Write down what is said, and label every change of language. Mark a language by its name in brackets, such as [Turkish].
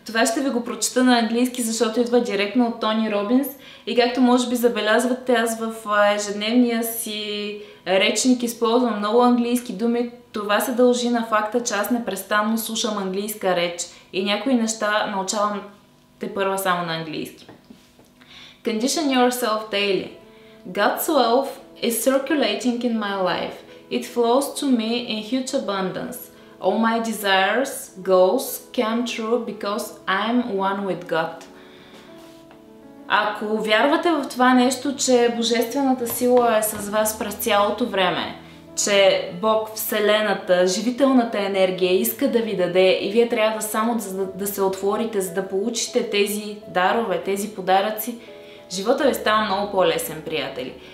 [Bulgarian] Това ще ви го прочета на английски, защото идва директно от Тони Робинс. И както може би забелязвате, аз в ежедневния си речник използвам много английски думи. Това се дължи на факта, че аз непрестанно слушам английска реч и някои неща научавам те първа само на английски. [English] Condition yourself daily. God's wealth is circulating in my life. It flows to me in huge abundance. All my desires, goals come true because I'm one with God. [Bulgarian] Ако вярвате в това нещо, че божествената сила е с вас през цялото време, че Бог, Вселената, живителната енергия иска да ви даде и вие трябва само да се отворите, за да получите тези дарове, тези подаръци, живота ви става много по-лесен, приятели.